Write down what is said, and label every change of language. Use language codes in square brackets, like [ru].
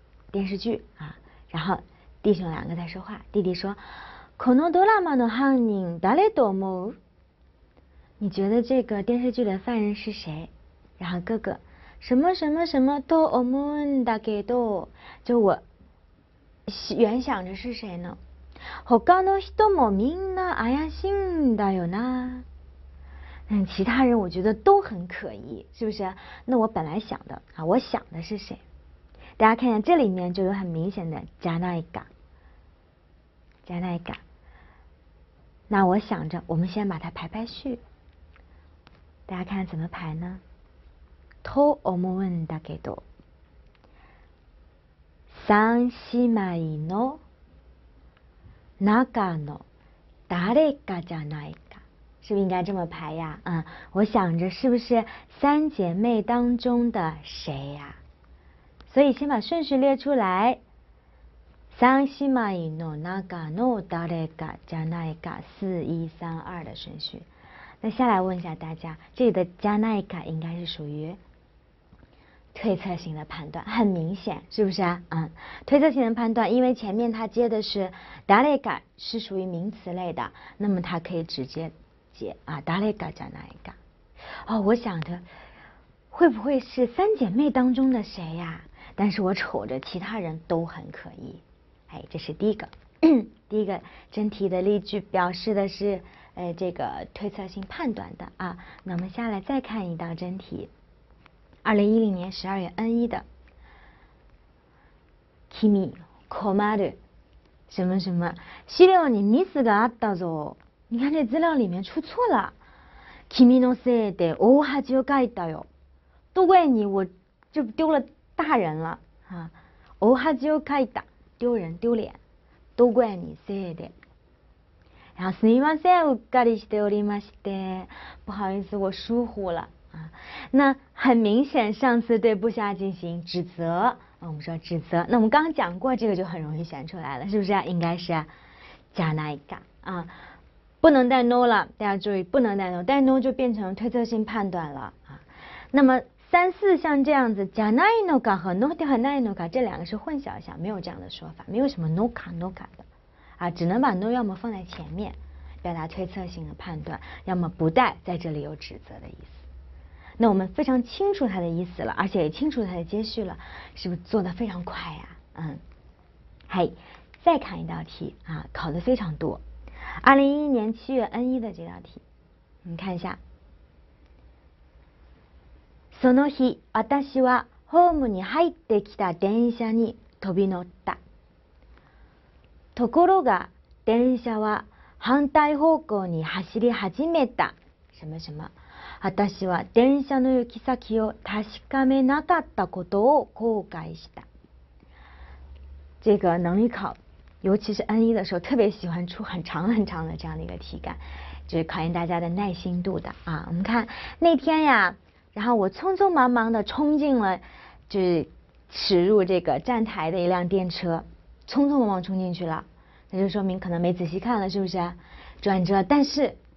[zh] 电视剧啊，然后弟兄两个在说话，弟弟说， [ja] このドラマの犯人誰と思う？ [zh] 你觉得这个电视剧的犯人是谁？然后哥哥，什么什么什么 [ja] と思うんだけど， [zh] 就我原想着是谁呢？ [ja] 他の人もみんな怪しいんだよな。 [zh] 其他人我觉得都很可疑，是不是？那我本来想的啊，我想的是谁？大家看一下，这里面就有很明显的 [ja] じゃないか，じゃないか。 [zh] 那我想着，我们先把它排排序。大家看怎么排呢？ [ja] と思うんだけど、三姉妹の中の誰かじゃないか， [zh] 是不是应该这么排呀？我想着是不是三姐妹当中的谁呀？所以先把顺序列出来， [ja] 三姉妹の中の誰かじゃないか， [zh] 4、1、3、2的顺序。那下来问一下大家，这里的じゃないか应该是属于推测性的判断，很明显，是不是啊？推测性的判断，因为前面它接的是誰か，是属于名词类的，那么它可以直接接啊， [ja] 誰かじゃないか。 [zh] 哦，我想着会不会是三姐妹当中的谁呀？但是我瞅着其他人都很可疑，哎，这是第一个，第一个真题的例句表示的是，这个推测性判断的啊。那我们下来再看一道真题。 [ja] 2010年12月 N1 的君困る什么什么資料にミスがあったぞ。 [zh] 你看这资料里面出错了。 [ja] 君のせいで大恥をかいたよ。 [zh] 都怪你，我这不丢了大人了啊！ [ja] 大恥をかいた， [zh] 丢人丢脸。都怪你 [ja] せいで。然后すみません、うっかりしておりまして。 [zh] 不好意思，我疏忽了。那很明显，上次对部下进行指责，我们说指责。那我们刚刚讲过，这个就很容易选出来了，是不是啊？应该是加那一个啊，不能带 no 了，大家注意，不能带 no，带 no 就变成推测性判断了啊。那么三四像这样子，加那一个和 no 和那一个这两个是混淆一下，没有这样的说法，没有什么 no 卡 no 卡的啊，只能把 no 要么放在前面，表达推测性的判断，要么不带，在这里有指责的意思。那我们非常清楚它的意思了，而且也清楚它的接续了，是不是做得非常快呀？嗨，再看一道题啊，考得非常多。2011年7月 N1 的这道题，你看一下。 [ja] その日、私はホームに入ってきた電車に飛び乗った。ところが電車は反対方向に走り始めた。什么什么？私は電車の行き先を確かめなかったことを後悔した。 [zh] 这个能力考，尤其是 N1 的时候，特别喜欢出很长很长的这样的一个题干，就是考验大家的耐心度的啊。我们看那天呀，然后我匆匆忙忙的冲进了，就是驶入这个站台的一辆电车，匆匆忙忙冲进去了，那就说明可能没仔细看了，是不是？转折，但是。